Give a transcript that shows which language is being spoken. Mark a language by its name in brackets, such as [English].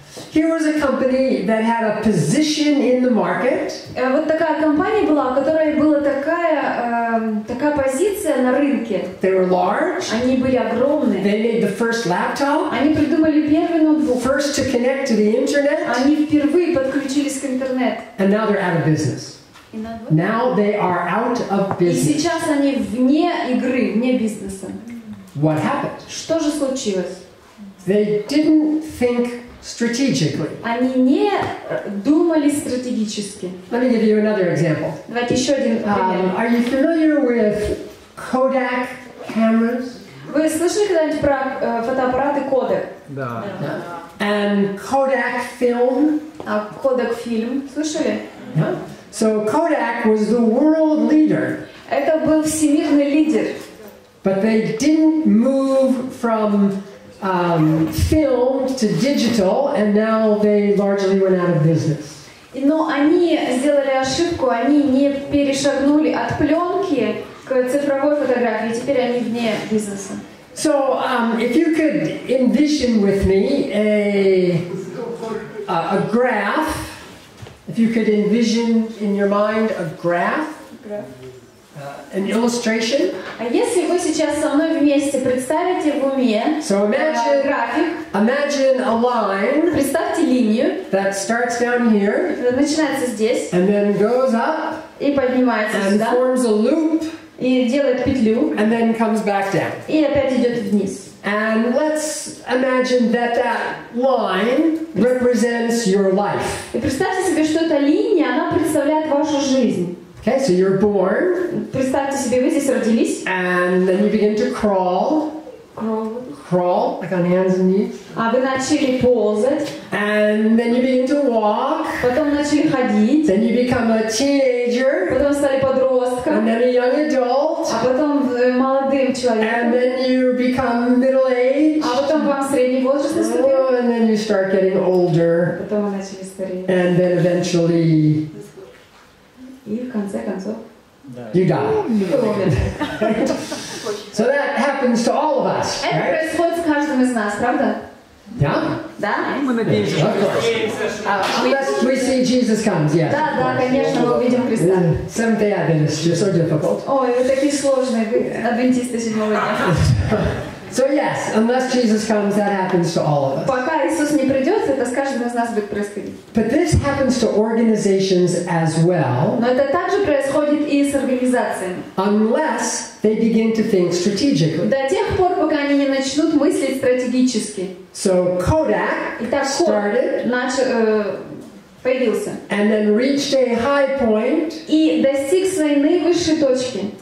[English] Here was a company that had a position in the market. [Russian] Вот такая компания была, у которой была такая такая позиция на рынке. [English] They were large. [Russian] Они были огромные. [English] They made the first laptop. [Russian] Они придумали первый ноутбук. [English] First to connect to the internet. [Russian] Они впервые подключились к интернету. [English] And now they're out of business. Now they are out of business. [Russian] И сейчас они вне игры, вне бизнеса. [English] What happened? [Russian] Что же случилось? [English] They didn't think strategically. [Russian] Они не думали стратегически. [English] Let me give you another example. [Russian] Давайте еще один пример. [English] Are you familiar with Kodak cameras? [Russian] Вы слышали когда-нибудь про фотоаппараты Kodak? Да. [English] And Kodak film? Kodak film. [Russian] Слышали? [English] Yeah. So Kodak was the world leader. [Russian] Это был всемирный лидер. [English] But they didn't move from filmed to digital, and now they largely went out of business. [Russian] Но они сделали ошибку, они не перешагнули от пленки к цифровой фотографии, теперь они вне бизнеса. [English] So, if you could envision with me a graph, if you could envision in your mind a graph, an illustration. [Russian] А если вы сейчас со мной вместе представите в уме график. [English] Imagine a line. [Russian] Представьте линию. [English] That starts down here. [Russian] Начинается здесь. [English] And then goes up. [Russian] И поднимается сюда. [English] And forms a loop. [Russian] И делает петлю. [English] And then comes back down. [Russian] И опять идет вниз. [English] And let's imagine that that line represents your life. [Russian] И представьте себе, что эта линия, она представляет вашу жизнь. [English] Okay, so you're born. [Russian] Представьте себе, вы здесь родились. [English] And then you begin to crawl. Crawl. Crawl, like on hands and knees. [Russian] А вы начали ползать. [English] And then you begin to walk. [Russian] Потом начали ходить. [English] Then you become a teenager. [Russian] Потом стали подростком. [English] And then a young adult. [Russian] А потом молодым человеком. [English] And then you become middle age. [Russian] А потом вам средний возраст наступил. [English] Oh, and then you start getting older. [Russian] Потом вы начали стареть. [English] And then eventually. [Russian] И в конце концов. [English] You die. So that happens to all of us, right? [Russian] Это происходит с каждым из нас, правда? Да. Да. Мы надеемся. [English] Of course. Unless we see Jesus comes, yes. [Russian] Да, да, конечно, мы увидим Христа. [English] Seventh-day Adventists, you're so difficult. [Russian] Ой, вы такие сложные, вы адвентисты седьмого дня. [English] So yes, unless Jesus comes, that happens to all of us. [Russian] Пока Иисус не придет, это с каждым из нас будет происходить. [English] But this happens to organizations as well. [Russian] Но это также происходит и с организациями. [English] Unless they begin to think strategically. [Russian] До тех пор, пока они не начнут мыслить стратегически. [English] So Kodak started. [Russian] Появился. [English] And then reached a high point. [Russian] И достиг своей наивысшей точки.